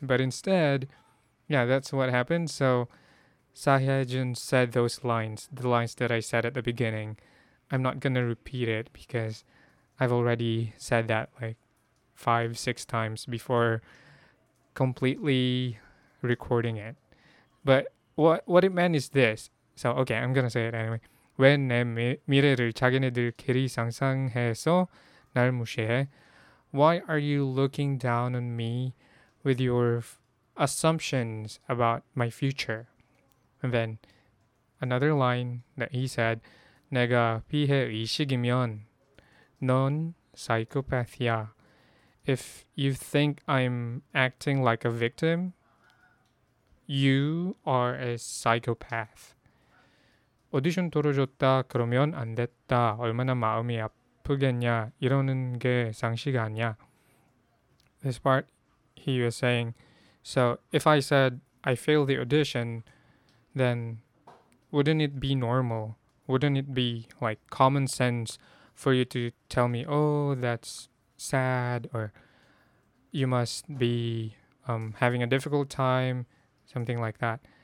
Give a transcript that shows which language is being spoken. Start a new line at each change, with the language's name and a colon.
English: But instead, yeah, that's what happened. So Sa Hae-jun said those lines, the lines that I said at the beginning. I'm not going to repeat it because I've already said that like 5, 6 times before completely recording it. But what it meant is this. So, okay, I'm going to say it anyway.
Korean: When 내 미래를 자기네들끼리 상상해서 날 무시해.
English: Why are you looking down on me with your assumptions about my future? And then another line that he said,
Korean: 내가 피해 의식이면 넌 사이코패스야.
English: If you think I'm acting like a victim, you are a psychopath.
Korean: 오디션 떨어졌다 그러면 안 됐다. 얼마나 마음이 아프겠냐. 이러는 게 상식 아니야.
English: This part, he was saying, so if I said I failed the audition, then wouldn't it be normal? Wouldn't it be like common sense for you to tell me, oh, that's sad, or you must be having a difficult time, something like that.